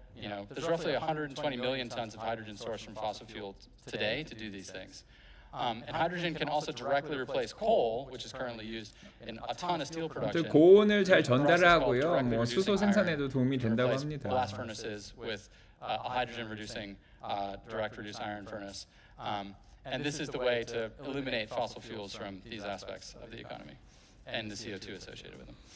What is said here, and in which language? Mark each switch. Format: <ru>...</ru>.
<en>You know, there's roughly 120 million tons of hydrogen sourced from fossil fuel today to do these things. And hydrogen can also directly replace coal, which is currently used in a ton of steel production.</en> <ko>고온을 잘 전달하고요. 뭐 수소 생산에도 도움이 된다고 합니다.</ko> <en>Blast furnaces with a hydrogen-reducing direct-reduced iron furnace. And this is the way to eliminate fossil fuels from these aspects of the economy and the CO2 associated with them.</en>